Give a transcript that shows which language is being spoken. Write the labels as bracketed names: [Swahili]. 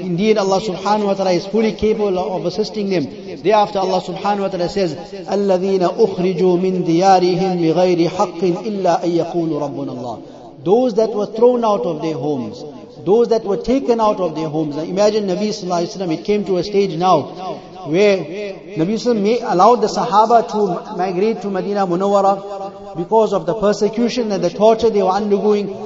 [English] Indeed, Allah subhanahu wa ta'ala is fully capable of assisting them. Thereafter, Allah subhanahu wa ta'ala says, [Arabic] الَّذِينَ أُخْرِجُوا مِنْ دِيَارِهِمْ بِغَيْرِ حَقٍّ إِلَّا أَن يَقُولُوا رَبُّنَ اللَّهِ. [English] Those that were thrown out of their homes, those that were taken out of their homes. Now imagine Nabi sallallahu alayhi wa sallam, it came to a stage now where Nabi sallallahu alayhi wa sallam allowed the Sahaba to migrate to Medina Munawwara because of the persecution and the torture they were undergoing.